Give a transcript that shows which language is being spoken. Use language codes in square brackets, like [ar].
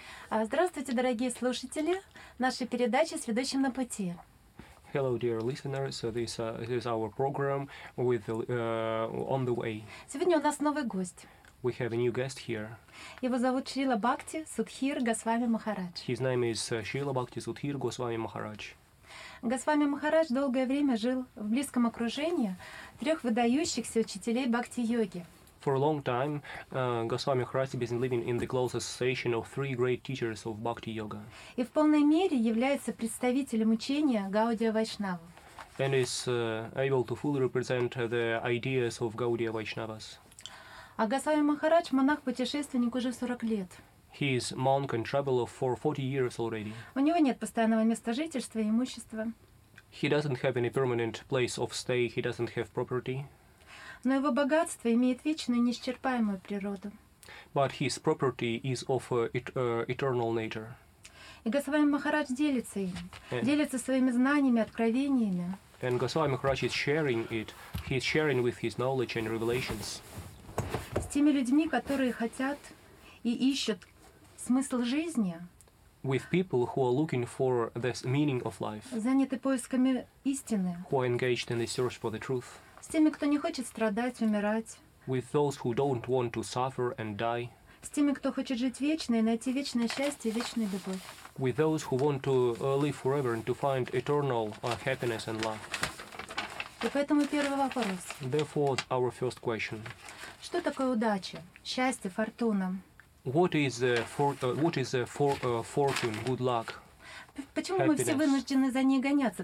[ru] Здравствуйте, дорогие слушатели нашей передачи «С ведущим на пути». [en] Hello, dear listeners. So this is our program with on the way. [ru] Сегодня у нас новый гость. [en] We have a new guest here. [ru] Его зовут Шрила Бхакти Судхир Госвами Махарадж. [en] His name is Шрила Бхакти Судхир Госвами Махарадж. [ru] Госвами Махарадж долгое время жил в близком окружении трех выдающихся учителей бхакти-йоги. [en] For a long time, Госвами Махарадж has been living in the close association of three great teachers of bhakti yoga. [ru] И в полной мере является представителем учения Гаудия Вайшнава. [en] And is able to fully represent the ideas of Gaudiya Vaishnavas. [ru] А Госвами Махарадж монах-путешественник уже 40 лет. [en] He is monk and traveler for 40 years already. [ru] У него нет постоянного места жительства и имущества. [en] He doesn't have any permanent place of stay. He doesn't have property. [ru] Но его богатство имеет вечную, неисчерпаемую природу. [en] But his property is of eternal nature. [ru] И Госвами Махарадж делится им, делится своими знаниями, откровениями. [en] And Госвами Махарадж is sharing it. He is sharing with his knowledge and revelations. [ru] С теми людьми, которые хотят и ищут смысл жизни. [en] With people who are looking for the meaning of life. [ru] Заняты поисками истины. [en] Who are engaged in the search for the truth. [ru] С теми, кто не хочет страдать, умирать. [en] With those who don't want to suffer and die. [ru] С теми, кто хочет жить вечно и найти вечное счастье и вечную любовь. [en] With those who want to live forever and to find eternal happiness and love. [ru] И поэтому первый вопрос. [en] Therefore, our first question. [ru] Что такое удача, счастье, фортуна? [en] What is fortune, good luck? [ru] Почему мы все вынуждены за ней гоняться?